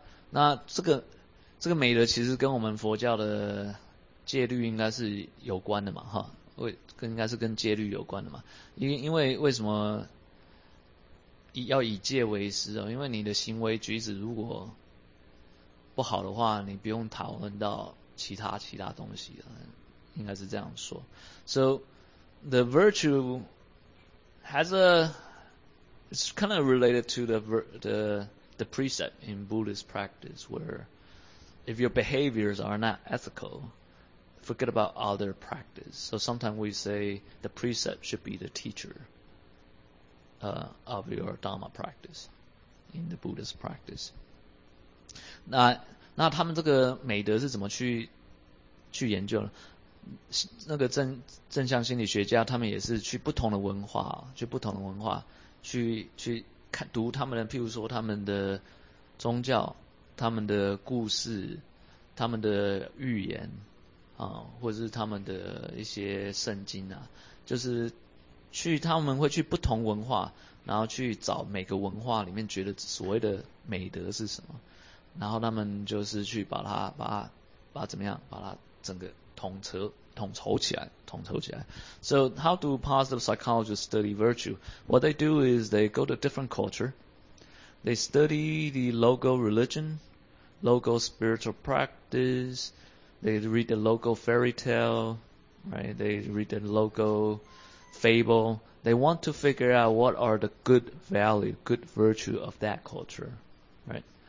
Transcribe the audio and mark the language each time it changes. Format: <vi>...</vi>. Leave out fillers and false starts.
<zh>那这个美德其实跟我们佛教的戒律应该是有关的嘛，哈，应该是跟戒律有关的嘛。因为为什么要以戒为师哦？因为你的行为举止如果不好的话，你不用讨论到其他东西了，应该是这样说。</zh> <en>So the virtue has a, it's kind of related to the precept in Buddhist practice where if your behaviors are not ethical, forget about other practice. So sometimes we say the precept should be the teacher. Of your Dharma practice in the Buddhist practice.</en> <zh>那他们这个美德是怎么去研究呢？那个正向心理学家他们也是去不同的文化，去不同的文化去看读他们的，譬如说他们的宗教、他们的故事、他们的寓言啊，或者是他们的一些圣经啊，就是去他们会去不同文化，然后去找每个文化里面觉得所谓的美德是什么，然后他们就是去把怎么样把它整个统筹起来。</zh> <en>So how do positive psychologists study virtue? What they do is they go to different culture, they study the local religion, local spiritual practice, they read the local fairy tale, right? They read the localFable. They want to figure out what are the good value, good virtue of that culture, right?</en>